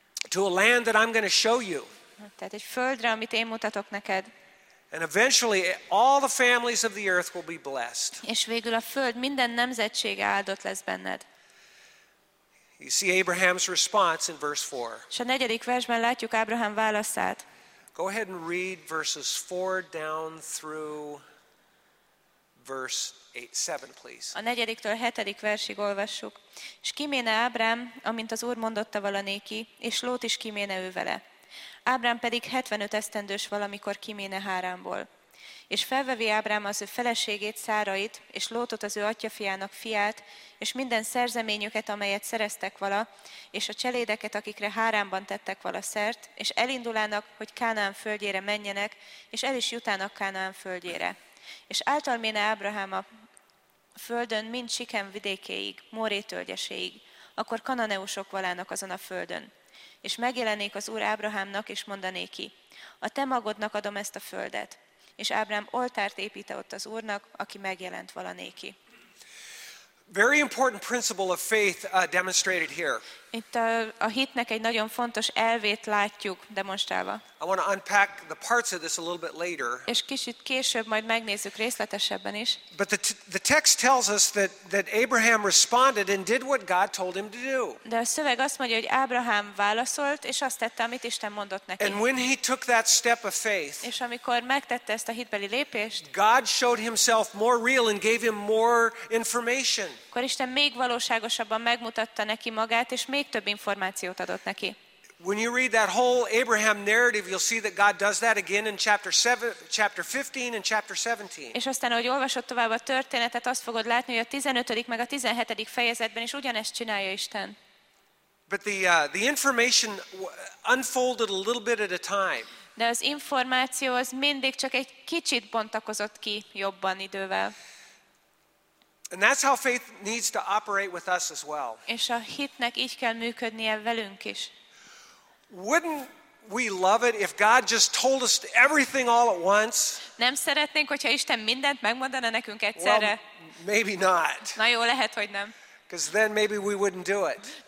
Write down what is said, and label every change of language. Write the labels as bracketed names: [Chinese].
[English] To a land that I'm going to show you. [Hungarian] Tehát egy földre, amit én mutatok neked. [English] And eventually all the families of the earth will be blessed. [Hungarian] És végül a föld minden nemzetsége áldott lesz benned. [English] You see Abraham's response in verse 4. [Hungarian] És a negyedik versben látjuk Ábrahám válaszát. [English] Go ahead and read verses 4 down through verse 7, please. [Hungarian] A negyediktől hetedik versig olvassuk. És kiméne Ábrám, amint az Úr mondotta vala néki, és Lót is kiméne ő vele. Ábrám pedig 75 esztendős valamikor kiméne Háránból. És felvevi Ábrám az ő feleségét, Szárait, és Lótot az ő atyafiának fiát, és minden szerzeményüket, amelyet szereztek vala, és a cselédeket, akikre Háránban tettek vala szert, és elindulának, hogy Kánaán földjére menjenek, és el is jutának Kánaán földjére. És általméne Ábrahám a földön mind Sikem vidékéig, Móré tölgyeséig, akkor kananeusok valának azon a földön. És megjelenék az Úr Ábrahámnak, és mondanéki, a te magodnak adom ezt a földet. És Ábrahám oltárt épít ott az Úrnak, aki megjelent valanéki. [English] Very important principle of faith demonstrated here. [Hungarian] Itt a hitnek egy nagyon fontos elvét látjuk demonstrálva. [English] I want to unpack the parts of this a little bit later. [Hungarian] És kicsit később majd megnézzük részletesebben is. [English] But the text tells us that Abraham responded and did what God told him to do. [Hungarian] De a szöveg azt mondja, hogy Ábrahám válaszolt és azt tette, amit Isten mondott neki. [English] And when he took that step of faith. [Hungarian] És amikor megtette ezt a hitbeli lépést. [English] God showed himself more real and gave him more information. [Hungarian] Akkor Isten még valóságosabban megmutatta neki magát és még több információt adott neki. [English] When you read that whole Abraham narrative, you'll see that God does that again in chapter 15 and chapter 17. [Hungarian] És aztán, ahogy olvasod tovább a történetet, azt fogod látni, hogy a 15. meg a 17. fejezetben is ugyanezt csinálja Isten. [English] But the information unfolded a little bit at a time. [Hungarian] De az információ az mindig csak egy kicsit bontakozott ki jobban idővel. [English] And that's how faith needs to operate with us as well. [Hungarian] És a hitnek így kell működnie velünk is. [English] Wouldn't we love it if God just told us everything all at once? [Hungarian] Nem szeretnénk, hogyha Isten mindent megmondana nekünk egyszerre. [English] Maybe not. [Hungarian] Na jó, lehet, hogy nem. [English] Because then maybe we wouldn't do it.